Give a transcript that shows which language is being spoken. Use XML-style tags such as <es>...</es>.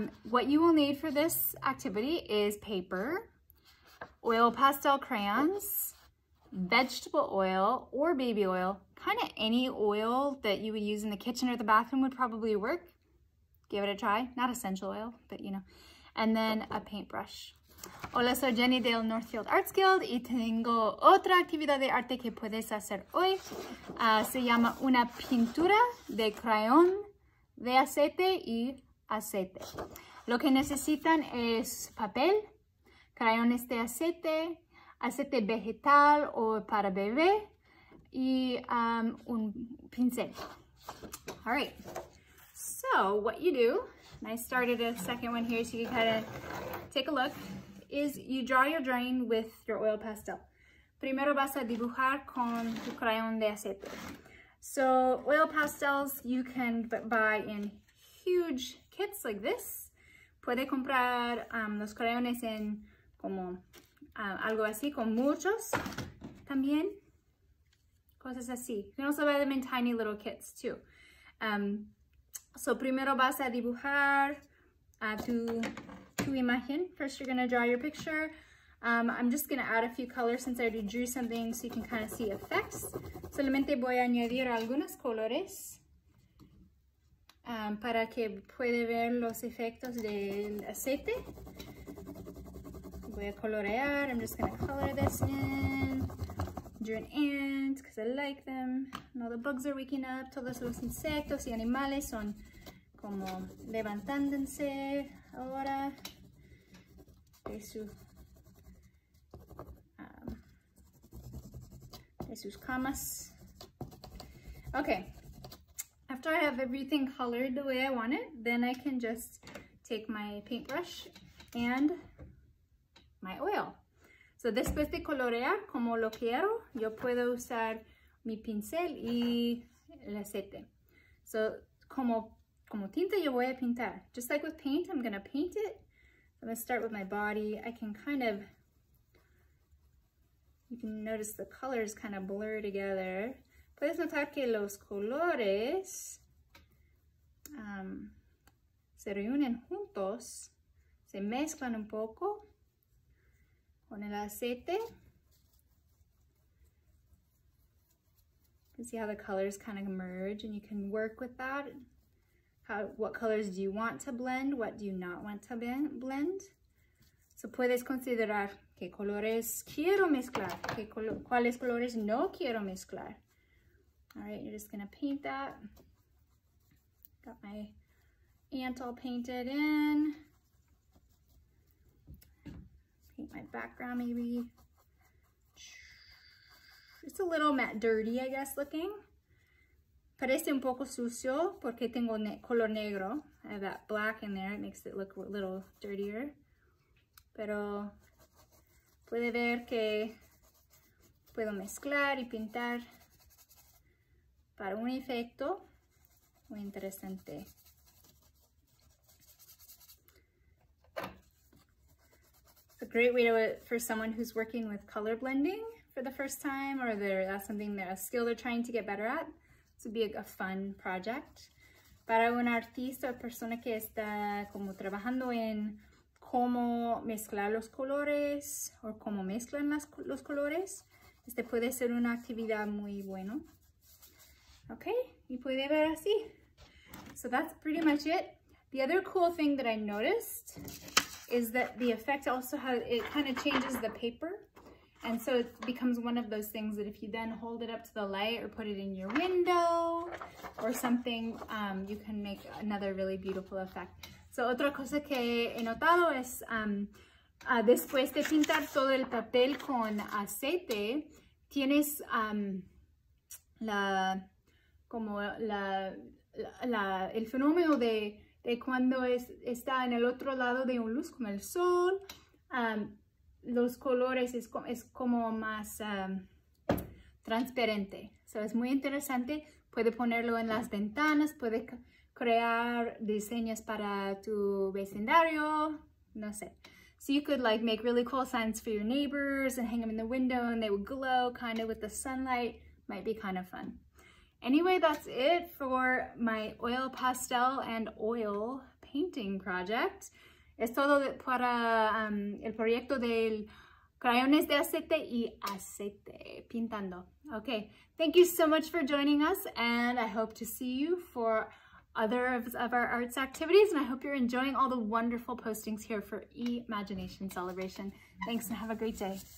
<en>What you will need for this activity is paper, oil pastel crayons, vegetable oil or baby oil, kind of any oil that you would use in the kitchen or the bathroom would probably work. Give it a try. Not essential oil, but you know. And then a paintbrush.</en> <es>Hola, soy Jenny del Northfield Arts Guild y tengo otra actividad de arte que puedes hacer hoy. Se llama una pintura de crayón de aceite y aceite. Lo que necesitan es papel, crayones de aceite, aceite vegetal o para bebé y un pincel.</es> <en>All right, so what you do, and I started a second one here so you can kind of take a look, is you draw your drawing with your oil pastel.</en> <es>Primero vas a dibujar con tu crayón de aceite.</es> <en>So oil pastels you can buy in huge kits like this.</en> <es>Puede comprar los crayones en como algo así, con muchos también, cosas así.</es> <en>You can also buy them in tiny little kits too. So</en> <es>primero vas a dibujar tu imagen.</es> <en>First you're gonna draw your picture. I'm just gonna add a few colors since I already drew something so you can kind of see effects.</en> <es>Solamente voy a añadir algunos colores para que puede ver los efectos del aceite. Voy a colorear.</es> <en>I'm just gonna color this in. Drew an ant because I like them. And all the bugs are waking up.</en> <es>Todos los insectos y animales son como levantándose ahora de sus camas.</es> <en>Okay. After I have everything colored the way I want it, then I can just take my paintbrush and my oil.</en> <es>So después de colorear como lo quiero, yo puedo usar mi pincel y el aceite. So como tinta yo voy a pintar.</es> <en>Just like with paint, I'm gonna paint it. I'm gonna start with my body. I can kind of, you can notice the colors kind of blur together.</en> <es>Puedes notar que los colores se reúnen juntos, se mezclan un poco. Con el aceite.</es> <en>You can see how the colors kind of merge and you can work with that. What colors do you want to blend? What do you not want to blend?</en> <es>So puedes considerar qué colores quiero mezclar, cuáles colores no quiero mezclar.</es> <en>All right, you're just gonna paint that. Got my ant all painted in. My background, maybe it's a little matte dirty, I guess, looking.</en> <es>Parece un poco sucio porque tengo color negro.</es> <en>I have that black in there, it makes it look a little dirtier.</en> <es>Pero puede ver que puedo mezclar y pintar para un efecto muy interesante.</es> <en>A great way for someone who's working with color blending for the first time, or that's something, they're a skill they're trying to get better at. This would be a fun project.</en> <es>Para un artista, persona que está como trabajando en cómo mezclar los colores, o cómo mezclan los colores, este puede ser una actividad muy bueno.</es> <en>Okay,</en> <es>y puede ver así.</es> <en>So that's pretty much it. The other cool thing that I noticed is that the effect also has, it kind of changes the paper. And so it becomes one of those things that if you then hold it up to the light or put it in your window or something, you can make another really beautiful effect.</en> <es>So otra cosa que he notado es, después de pintar todo el papel con aceite, tienes el fenómeno de cuando está en el otro lado de un luz, como el sol, los colores es como más transparente. So es muy interesante. Puede ponerlo en las ventanas, puede crear diseños para tu vecindario, no sé.</es> <en>So you could like make really cool signs for your neighbors and hang them in the window and they would glow kind of with the sunlight. Might be kind of fun. Anyway, that's it for my oil pastel and oil painting project.</en> <es>Es todo para el proyecto del crayones de aceite y aceite pintando.</es> <en>Okay, thank you so much for joining us and I hope to see you for other of our arts activities and I hope you're enjoying all the wonderful postings here for E-magination celebration. Thanks and have a great day.</en>